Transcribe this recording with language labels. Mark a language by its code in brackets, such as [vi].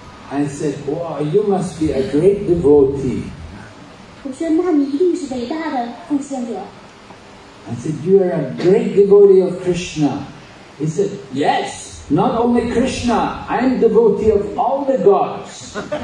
[en] I said, "Wow, you must be a great devotee." [zh] 我说，那你一定是伟大的奉献者。 [en] I said, you are a great devotee of Krishna. He said, yes, not only Krishna, I am devotee of all the gods.